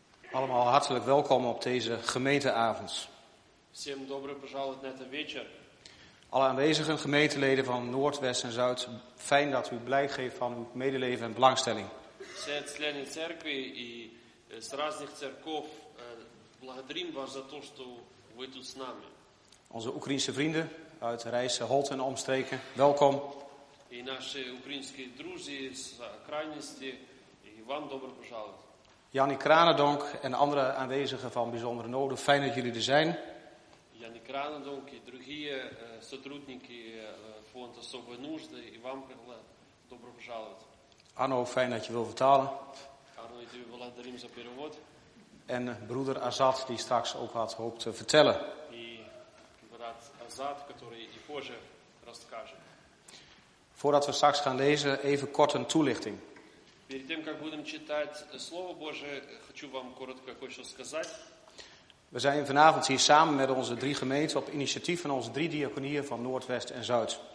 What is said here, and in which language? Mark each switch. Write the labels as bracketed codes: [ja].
[nl] Hartelijk welkom op deze gemeenteavond. [ru] Всем добро пожаловать на этот вечер. [nl] Alle aanwezigen, gemeenteleden van Noord, West en Zuid, fijn dat u blijk geeft van uw medeleven en belangstelling. [ru] Zijn члены церкви и с разных церков благодарим вас за то, что вы тут с нами. [nl] Onze Oekraïense vrienden uit Rijse, Holt en omstreken, welkom. [ru] И наши украинские друзья из окраинности, и вам добро пожаловать. [nl] Jannie Kranendonk en andere aanwezigen van bijzondere noden, fijn dat jullie er zijn. [ru] Jannie Kranendonk [nl] en andere [ru] сотрудники van особой нужды, и вам добро пожаловать. [nl] Arno, fijn dat je wil vertalen. [ru] Arno, и тебе благодарим за перевод. [nl] En broeder Azad, die straks ook had hoop te vertellen. [ru] И брат Азад, который и позже расскажет. [nl] Voordat we straks gaan lezen, even kort een toelichting. [ru] Перед тем, как будем читать Слово Божие, хочу вам коротко кое-что сказать. [nl] We zijn vanavond hier samen met onze drie gemeenten op initiatief van onze drie diaconieën van Noord, West en Zuid.